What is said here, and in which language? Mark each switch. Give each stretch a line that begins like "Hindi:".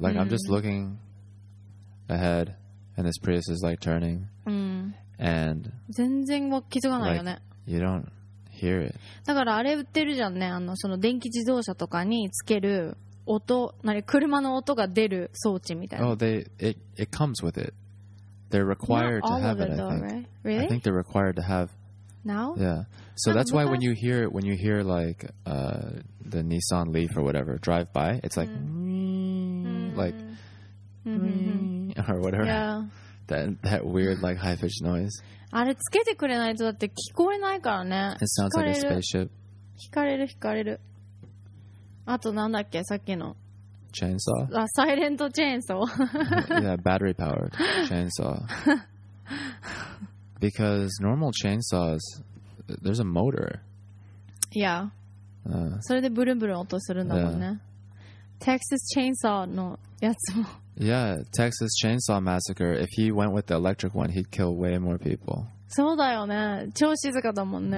English: Like, I'm just looking ahead, and this Prius is, like, turning. And you don't hear it.
Japanese: だからあれ売ってるじゃんね。あの、その電気自動車とかにつける音、車の音が出る装置みたいな。
English: Oh, it comes with it. They're required to have it, though, I think. Right? Really? I think they're required to have. Now? Yeah. So that's why when you hear like the Nissan Leaf or whatever drive by, it's like, or whatever. Yeah. That weird like high pitched noise.
Japanese: あれつけてくれないとだって聞こえないからね。
English: It sounds like a spaceship.
Japanese: 惹かれる。あとなんだっけさっきの。
English: Chainsaw? Silent chainsaw. Yeah, battery-powered chainsaw. Because normal chainsaws, there's a motor. Yeah.
Japanese: それでブルンブルン音するんだもんね。 Texas chainsaw の やつも。
English: Yeah, Texas Chainsaw Massacre. If he went with the electric one, he'd kill way more people.
Japanese: そうだよね。超静かだもんね。